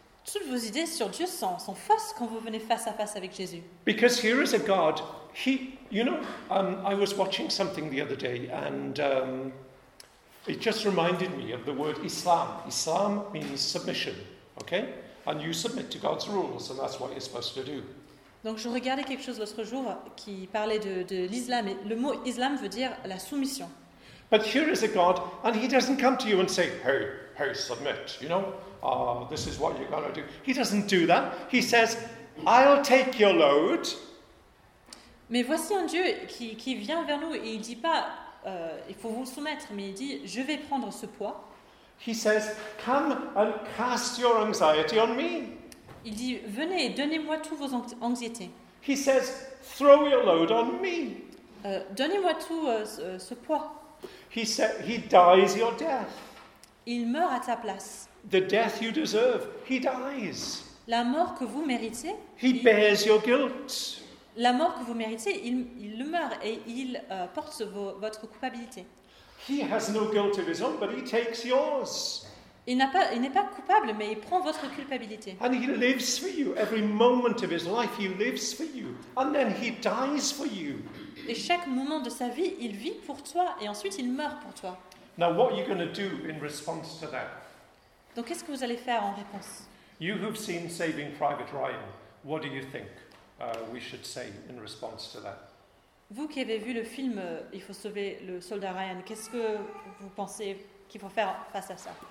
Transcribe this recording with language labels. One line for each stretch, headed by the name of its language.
French: Toutes vos idées sur Dieu sont fausses quand vous venez face à face avec Jésus.
English: Because here is a God. He, you know, I was watching something the other day, and it just reminded me of the word Islam. Islam means submission, okay? And you submit to God's rules, and that's what you're supposed to do.
French: Donc je regardais quelque chose l'autre jour qui parlait de l'islam, et le mot islam veut dire la soumission.
English: But here is a God, and he doesn't come to you and say, hey, submit, you know? This is what you're going to do. He doesn't do that. He says, "I'll take your load."
French: Mais voici un Dieu qui vient vers nous et il dit pas, il faut vous soumettre, mais il dit, je vais prendre ce poids.
English: He says, "Come and cast your anxiety on me."
French: Il dit, venez, donnez-moi toutes vos anxiétés.
English: He says, "Throw your load on me."
French: Donnez-moi tout ce poids.
English: He says, "He dies your death."
French: Il meurt à ta place.
English: The death you deserve, he dies.
French: La mort que vous méritez,
English: he bears your guilt.
French: La mort que vous méritez, il le meurt et il porte votre culpabilité.
English: He has no guilt of his own, but he takes yours.
French: Il n'est pas coupable, mais il prend votre culpabilité.
English: And he lives for you. Every moment of his life, he lives for you. And then he dies for you.
French: Et chaque moment de sa vie, il vit pour toi et ensuite il meurt pour toi.
English: Now what are you going to do in response to that?
French: Donc, qu'est-ce que vous allez faire en réponse?
English: You who've seen Saving Private Ryan, what do you think we should say in response to that?
French: Vous qui avez vu le film Il faut sauver le soldat Ryan, qu'est-ce que vous pensez qu'il faut faire face à ça?